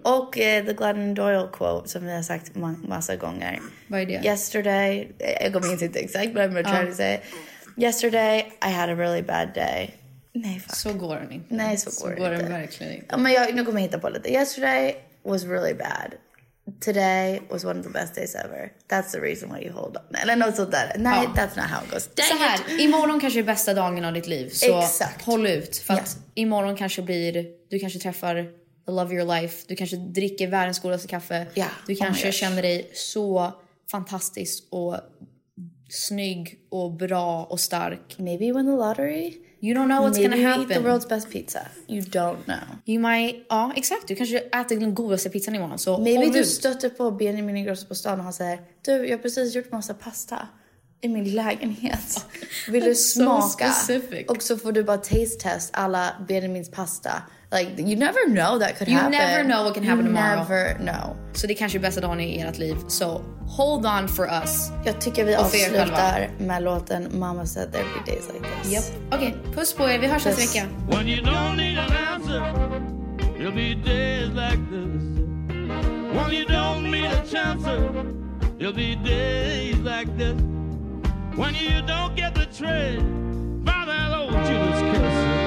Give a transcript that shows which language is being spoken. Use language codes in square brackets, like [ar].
[sv] Och the Glennon Doyle quote som vi har sagt massa gånger. Vad är det? [en] Yesterday, [sv] jag kommer inte exakt, [en] but I'm gonna try to say it. Yesterday, I had a really bad day. Nej, fuck. [sv] Så går det inte. Nej, så går Så går det verkligen inte. Men jag, nu kommer jag hitta på lite. [en] Yesterday was really bad. Today was one of the best days ever. That's the reason why you hold on. [sv] Eller något sånt där. Nej, [en] that's not how it goes. [sv] Så här, imorgon kanske är bästa dagen av ditt liv. Så exakt. Håll ut. För att imorgon kanske blir... Du kanske träffar [en] the love of your life. [sv] Du kanske dricker världens godaste kaffe. [en] Yeah. [sv] Du kanske känner dig så fantastisk och snygg och bra och stark. [en] Maybe you win the lottery. You don't know what's maybe gonna happen. Eat the world's best pizza. You don't know. You might... [sv] Ja, exakt. Du kanske äter den godaste pizzan imorgon. Så maybe du stöter på Benjamin Ingrosso på stan och han säger... Du, jag har precis gjort massa pasta i min lägenhet. Vill du smaka? [en] So specific. [sv] Och så får du bara [en] taste test [sv] alla Benjamins pasta. [en] Like, you never know that could happen. You never know what can happen tomorrow. You never know. [sv] Så det kanske är bästa dagen i ert liv. [en] So hold on for us. [sv] Jag tycker vi avslutar med låten Mama Said There Be Days Like This. Yep. Okej, okay, puss på er. Vi hörs nästa vecka. [en] When you don't need an answer, there'll be days like this. When you don't need a chance, there'll be days like this. When you don't get the trade by that old Judas kiss.